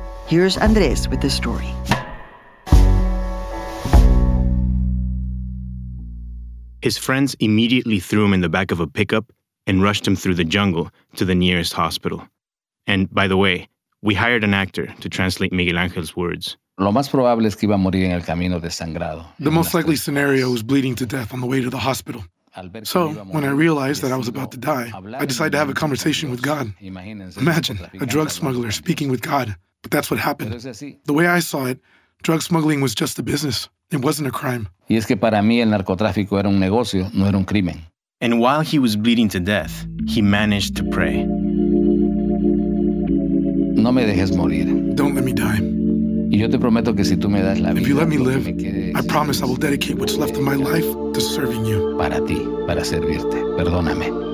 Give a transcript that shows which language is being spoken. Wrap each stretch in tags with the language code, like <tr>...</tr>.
<en>Here's Andres with the story. His friends immediately threw him in the back of a pickup and rushed him through the jungle to the nearest hospital. And by the way, we hired an actor to translate Miguel Ángel's words.</en> <es>Lo más probable es que iba a morir en el camino desangrado.</es> <en>The most likely scenario was bleeding to death on the way to the hospital. So when I realized that I was about to die, I decided to have a conversation with God. Imagine a drug smuggler speaking with God, but that's what happened. The way I saw it, drug smuggling was just a business. It wasn't a crime.</en> <es>Y es que para mí el narcotráfico era un negocio, no era un crimen.</es> <en>And while he was bleeding to death, he managed to pray.</en> <es>No me dejes morir.</es> <en>Don't let me die.</en> <es>Y yo te prometo que si tú me das la vida,</es> <en>if you let me live, I promise I will dedicate what's left of my life to serving you.</en> <es>Para ti, para servirte. Perdóname.</es>